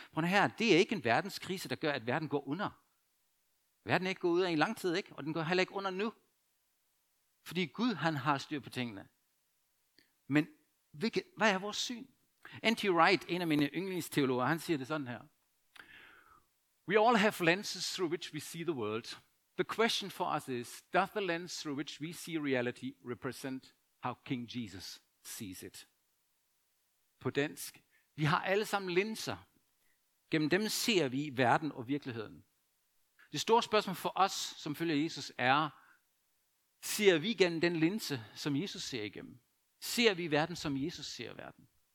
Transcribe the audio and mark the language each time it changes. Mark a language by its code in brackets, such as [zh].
[da] Prøv her, det er ikke en verdenskrise, der gør, at verden går under. Verden er ikke gået ud af i lang tid, ikke? Og den går heller ikke under nu. Fordi Gud, han har styr på tingene. Men hvad er vores syn? N.T. Wright, en af mine yndlingsteologer, han siger det sådan her. [en] We all have lenses through which we see the world. The question for us is, does the lens through which we see reality represent how King Jesus sees it? [da] På dansk. Vi har alle sammen linser. Gennem dem ser vi verden og virkeligheden. Det store spørgsmål for os, som følger Jesus, er, ser vi gennem den linse, som Jesus ser igennem? Ser vi verden, som Jesus ser verden?